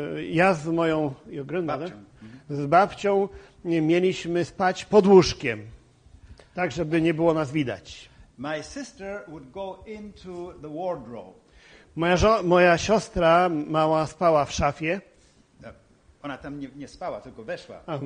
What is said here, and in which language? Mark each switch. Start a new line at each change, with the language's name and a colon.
Polish: Ja z moją grandmother, z babcią, mieliśmy spać pod łóżkiem, tak żeby nie było nas widać.
English: My sister would go into the wardrobe.
Polish: Moja siostra mała spała w szafie. Ona tam nie spała, tylko weszła.